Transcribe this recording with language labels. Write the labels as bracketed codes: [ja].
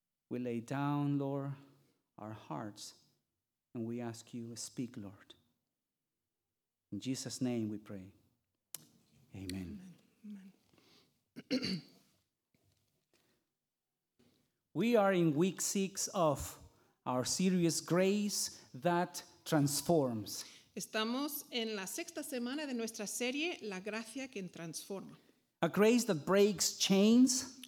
[en] We lay down, Lord, our hearts, and we ask you, speak, Lord. In Jesus' name we pray. Amen. Amen. We are in week 6 of our series, Grace That Transforms. [es] Estamos en la sexta semana de nuestra serie, La Gracia Que Transforma. A grace that breaks chains.